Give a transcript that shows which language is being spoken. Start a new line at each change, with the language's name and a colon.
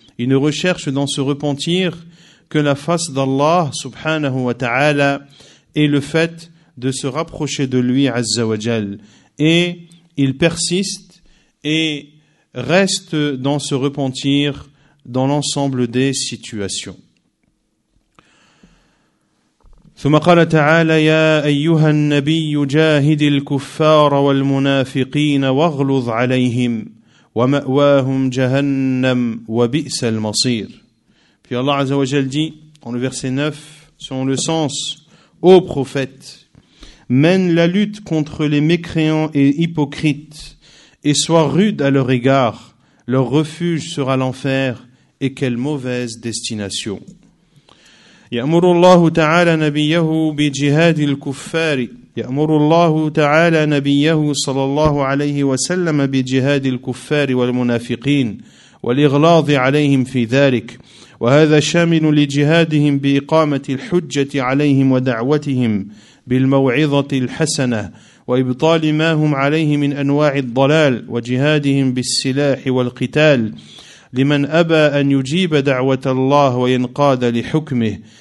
French: Il ne recherche dans ce repentir que la face d'Allah subhanahu wa ta'ala et le fait de se rapprocher de lui azza wa jal. Et il persiste et reste dans ce repentir dans l'ensemble des situations.
Arabic: ثم قال تعالى يا أيها النبي جاهد الكفار والمنافقين واغلظ عليهم ومأواهم جهنم وبئس المصير.
French: Puis Allah
Arabic: عز وجل
French: dit dans le verset 9, selon le sens, ô prophète, mène la lutte contre les mécréants et hypocrites et sois rude à leur égard, leur refuge sera l'enfer et quelle mauvaise destination.
Arabic: يأمر الله تعالى نبيه بجهاد الكفار يأمر الله تعالى نبيه صلى الله عليه وسلم بجهاد الكفار والمنافقين والإغلاظ عليهم في ذلك وهذا شامل لجهادهم بإقامة الحجة عليهم ودعوتهم بالموعظة الحسنة وإبطال ما هم عليه من أنواع الضلال وجهادهم بالسلاح والقتال لمن أبى أن يجيب دعوة الله وينقاد لحكمه